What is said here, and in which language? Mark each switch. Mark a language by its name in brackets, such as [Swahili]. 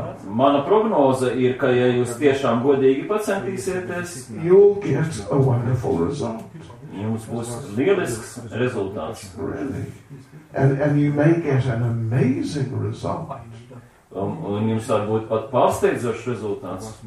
[Latvian] mana prognoze ir, ka ja jūs tiešām godīgi pacentīsieties, [English] you'll get a wonderful result. [Latvian] Jums būs lielisks rezultāts. [English] Really. And you may get an amazing result. [Latvian] Un jums varbūt pat pārsteidzošs rezultāts.